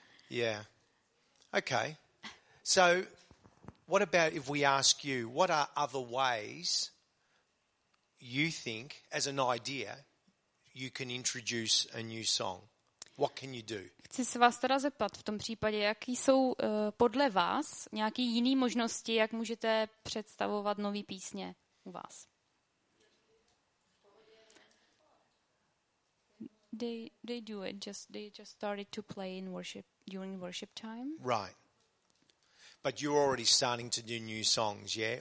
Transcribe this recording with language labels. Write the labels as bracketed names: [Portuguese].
[English] Yeah. Okay. So what about if we ask you, what are other ways you think, as an idea, you can introduce a new song? What can you do? [Czech] Chci se vás teda zeptat v tom případě, jaký jsou podle vás nějaký jiný možnosti, jak můžete představovat nový písně u vás? [English] They do it, they just started to play in worship, during worship time. Right. But you're already starting to do new songs, yeah?